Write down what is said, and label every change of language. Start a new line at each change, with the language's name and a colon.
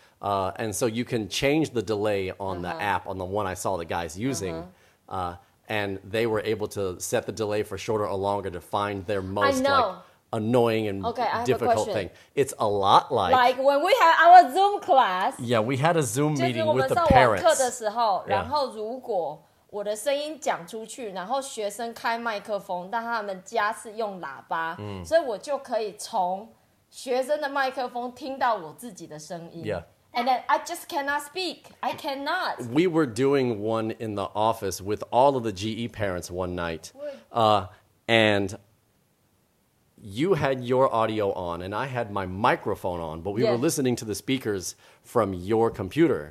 English: And so you can change the delay on the app, on the one I saw the guys using. And they were able to set the delay for shorter or longer to find their most like, annoying and difficult thing. It's a lot like... Like when we had our Zoom class. Yeah, we had a Zoom meeting with the parents.
Chinese: 就是我们上网课的时候，然后如果我的声音讲出去，然后学生开麦克风，但他们家是用喇叭，所以我就可以从学生的麦克风听到我自己的声音。
English: Yeah. And then I just cannot speak. I cannot. We were doing one in the office with all of the GE parents one night. And you had your audio on and I had my microphone on, but we were listening to the speakers from your computer.